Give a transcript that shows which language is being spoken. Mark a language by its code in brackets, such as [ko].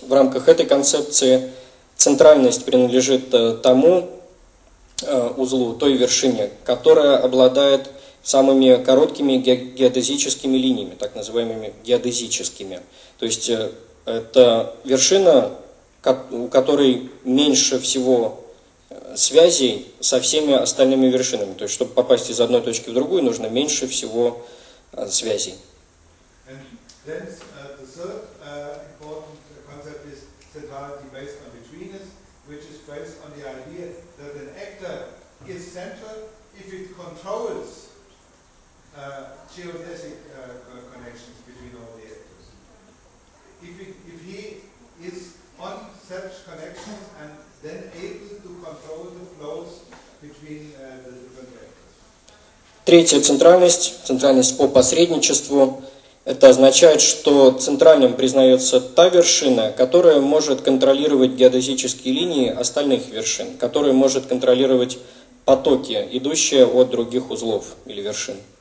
[ru] В рамках этой концепции центральность принадлежит тому узлу, той вершине, которая обладает самыми короткими геодезическими линиями, так называемыми геодезическими. То есть это вершина, у которой меньше всего связей со всеми остальными вершинами. То есть чтобы попасть из одной точки в другую, нужно меньше всего связей. [en] Then the third important concept is centrality based on betweenness, which is based on the idea that an actor is central if it controls geodesic connections between all the actors. If he is on such connections and then able to control the flows between the different actors. [ru] Третья центральность, центральность по посредничеству. Это означает, что центральным признается та вершина, которая может контролировать геодезические линии остальных вершин, которая может контролировать потоки, идущие от других узлов или вершин.